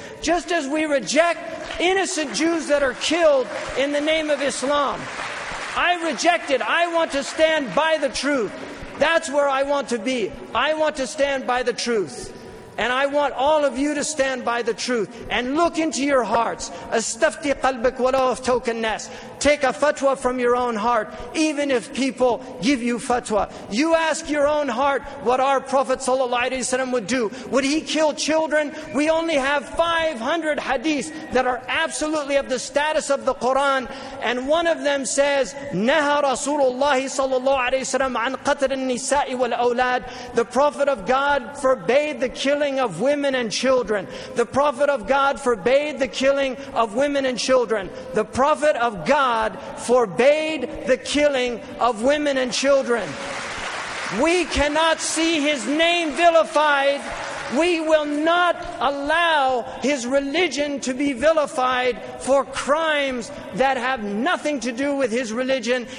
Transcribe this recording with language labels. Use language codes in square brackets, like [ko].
[en] Just as we reject innocent Jews that are killed in the name of Islam. I reject it. I want to stand by the truth. That's where I want to be. I want to stand by the truth. And I want all of you to stand by the truth. And look into your hearts. [ar] أستفتي قلبك ولو أفتوك الناس. [en] Take a fatwa from your own heart, even if people give you fatwa. You ask your own heart what our Prophet ﷺ would do. Would he kill children? We only have 500 hadith that are absolutely of the status of the Quran. And one of them says, [ar] نهى رسول الله صلى الله عليه وسلم عن قتل النساء والأولاد. [en] The Prophet of God forbade the killing of women and children. The Prophet of God forbade the killing of women and children. The Prophet of God forbade the killing of women and children. We cannot see his name vilified. We will not allow his religion to be vilified for crimes that have nothing to do with his religion.